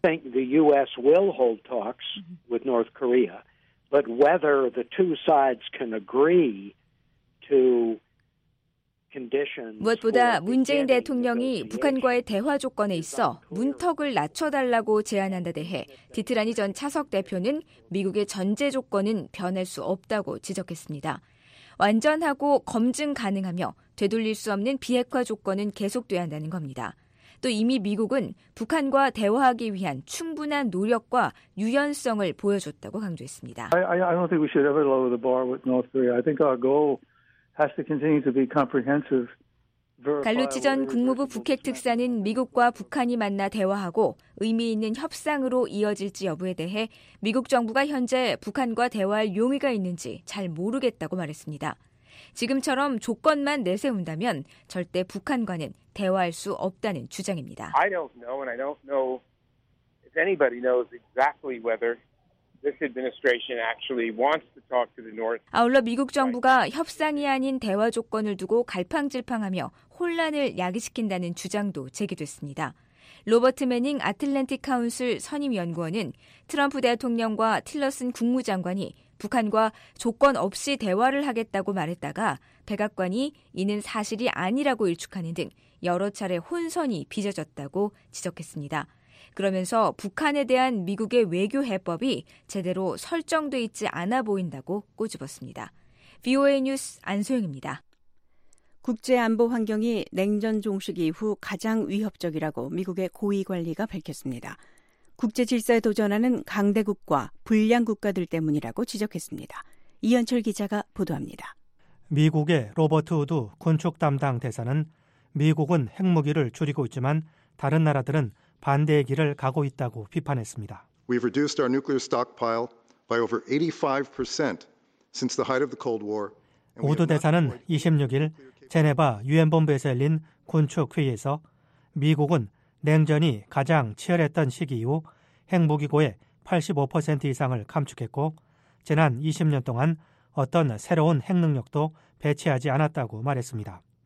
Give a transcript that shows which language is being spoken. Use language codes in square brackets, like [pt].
[en] I think the U.S. will hold talks with North Korea, but whether the two sides can agree to [ko] 무엇보다 문재인 대통령이 북한과의 대화 조건에 있어 문턱을 낮춰달라고 제안한 데 대해 디트라니 전 차석 대표는 미국의 전제 조건은 변할 수 없다고 지적했습니다. 완전하고 검증 가능하며 되돌릴 수 없는 비핵화 조건은 계속돼야 한다는 겁니다. 또 이미 미국은 북한과 대화하기 위한 충분한 노력과 유연성을 보여줬다고 강조했습니다. [en] I don't think we should ever lower the bar with North Korea. I think our goal has to continue to be comprehensive. [ko] 갈루치 전 국무부 북핵 특사는 미국과 북한이 만나 대화하고 의미 있는 협상으로 이어질지 여부에 대해 미국 정부가 현재 북한과 대화할 용의가 있는지 잘 모르겠다고 말했습니다. 지금처럼 조건만 내세운다면 절대 북한과는 대화할 수 없다는 주장입니다. [en] I don't know, and I don't know if anybody knows exactly whether this administration actually wants to talk to the North. [ko] 아울러 미국 정부가 협상이 아닌 대화 조건을 두고 갈팡질팡하며 혼란을 야기시킨다는 주장도 제기됐습니다. 로버트 매닝 아틀랜틱 카운슬 선임연구원은 트럼프 대통령과 틸러슨 국무장관이 북한과 조건 없이 대화를 하겠다고 말했다가 백악관이 이는 사실이 아니라고 일축하는 등 여러 차례 혼선이 빚어졌다고 지적했습니다. 그러면서 북한에 대한 미국의 외교 해법이 제대로 설정돼 있지 않아 보인다고 꼬집었습니다. VOA 뉴스 안소영입니다. 국제안보 환경이 냉전 종식 이후 가장 위협적이라고 미국의 고위 관리가 밝혔습니다. 국제 질서에 도전하는 강대국과 불량 국가들 때문이라고 지적했습니다. 이현철 기자가 보도합니다. 미국의 로버트 우드 군축 담당 대사는 미국은 핵무기를 줄이고 있지만 다른 나라들은 반대의 길을 가고 있다고 비판했습니다. [en] We've reduced our nuclear stockpile by over 85% since the height of the Cold War. [ko] 우드 대사는 26일 제네바 유엔 본부에서 열린 군축 회의에서 미국은 냉전이 가장 치열했던 시기 이후 핵무기고의 85% 이상을 감축했고 지난 20년 동안 어떤 새로운 핵능력도 배치하지 않았다고 말했습니다.